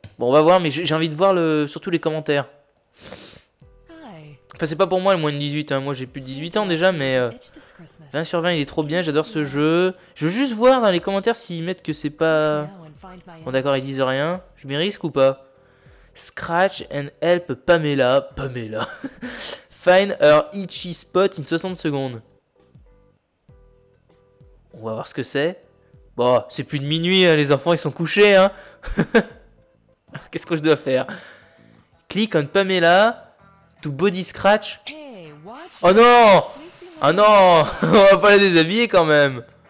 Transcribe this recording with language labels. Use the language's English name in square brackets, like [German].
[French] Bon, on va voir, mais j'ai envie de voir surtout les commentaires. Enfin, c'est pas pour moi le moins de 18, hein. Moi j'ai plus de 18 ans déjà, mais 20 sur 20, il est trop bien, j'adore ce jeu. Je veux juste voir dans les commentaires s'ils mettent que c'est pas... Bon d'accord, ils disent rien, je m'y risque ou pas? [English] Scratch and help Pamela. Find her itchy spot in 60 secondes. [French] On va voir ce que c'est. Bon, c'est plus de minuit, hein. Les enfants ils sont couchés. Hein. Qu'est-ce que je dois faire? [English] Click on Pamela... Body scratch. [French] Oh non! Oh non! On va pas la déshabiller quand même!